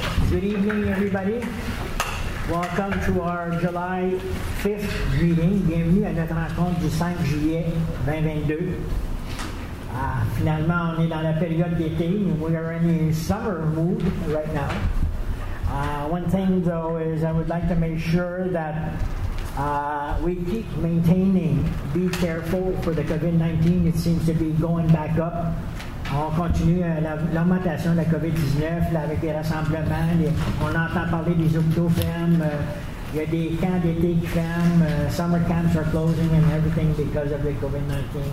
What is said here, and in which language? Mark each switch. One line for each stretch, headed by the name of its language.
English: Good evening, everybody. Welcome to our July 5th meeting.
French: Bienvenue à notre rencontre du 5 juillet 2022. Finalement, on est dans la période d'été.
English: We are in a summer mood right now. One thing, though, is I would like to make sure that we keep maintaining, be careful for the COVID-19. It seems to be going back up.
French: On continue l'augmentation de la COVID-19 là, avec des rassemblements. On entend parler des hôpitaux fermes. Il y a des camps d'été qui ferment.
English: Summer camps are closing and everything because of the COVID-19.